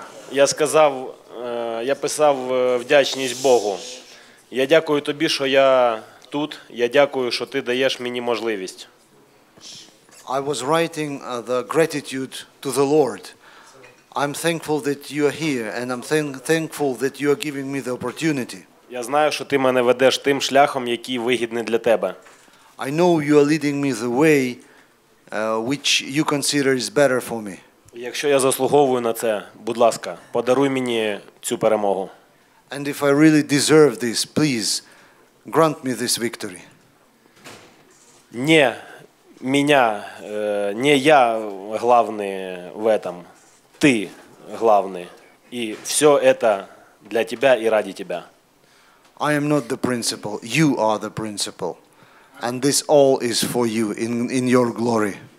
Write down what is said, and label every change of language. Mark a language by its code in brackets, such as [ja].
[uk] Я сказав, я писав вдячність Богу. Я дякую тобі, що я тут. Я дякую, що ти даєш мені можливість. [en] I was writing the gratitude to the Lord. I'm thankful that you are here, and I'm thankful that you are giving me the opportunity. [uk] Я знаю, що ти мене ведеш тим шляхом, який вигідний для тебе. [en] I know you are leading me the way which you consider is better for me. [uk] Якщо я заслуговую на це, будь ласка, подаруй мені цю перемогу. [en] And if I really deserve this, please grant me this victory. [ru] Не меня, не я главный в этом. Ты главный. И все это для тебя и ради тебя. [en] I am not the principal. You are the principal. And this all is for you in your glory.